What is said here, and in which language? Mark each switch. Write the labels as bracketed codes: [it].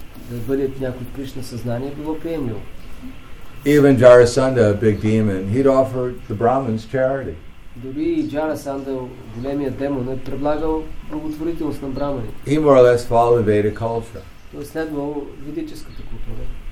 [bg] Да бъде някой в Кришна съзнание било приемливо. [en] Even Jarasandha, a big demon, he'd offer the Brahmins charity. [bg] Дори Jarasandha, големият демон, е предлагал благотворителност на брамани. [en] He more or less followed Vedic culture. [bg] Той следвал ведическата култура.